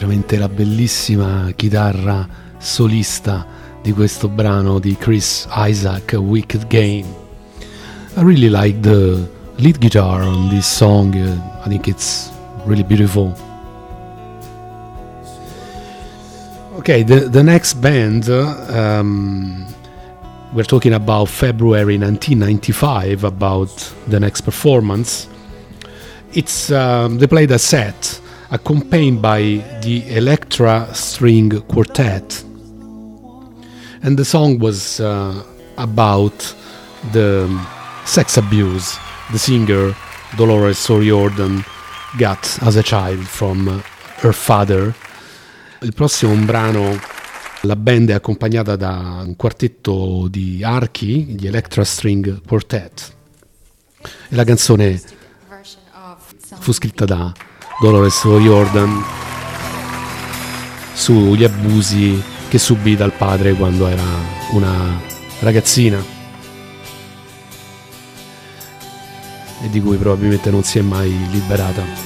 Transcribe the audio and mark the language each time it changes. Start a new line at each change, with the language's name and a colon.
Italian: la bellissima chitarra solista di questo brano di Chris Isaak, Wicked Game.
English: I really like the lead guitar on this song. I think it's really beautiful. Okay, the next band, we're talking about February 1995, about the next performance. It's they played a set accompanied by the Elektra String Quartet, and the song was about the sex abuse the singer Dolores O'Riordan got as a child from her father.
Italian: Il prossimo brano, la band è accompagnata da un quartetto di archi, gli Elektra String Quartet, e la canzone fu scritta da Dolores O'Riordan sugli abusi che subì dal padre quando era una ragazzina e di cui probabilmente non si è mai liberata.